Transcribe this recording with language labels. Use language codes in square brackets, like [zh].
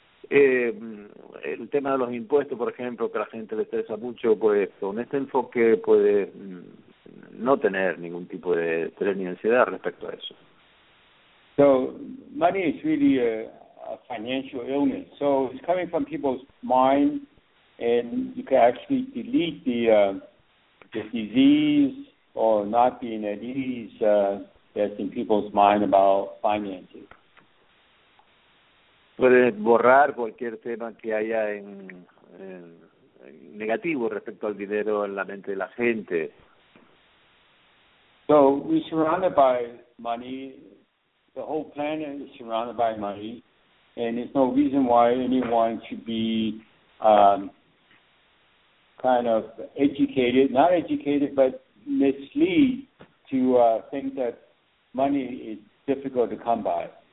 [es] El tema de los impuestos, por ejemplo, que a la gente le estresa mucho, pues con este enfoque puede no tener ningún tipo de estrés ni ansiedad respecto a eso. [en] So money is really a financial illness. So it's coming from people's mind, and you can actually delete the disease or not being at ease that's in people's mind about finances. [es] Puedes borrar cualquier tema que haya en negativo respecto al dinero en la mente de la gente. [en] So we're surrounded by money. The whole planet is surrounded by money, and there's no reason why anyone should be kind of educated, not educated, but misled to think that money is difficult to come by.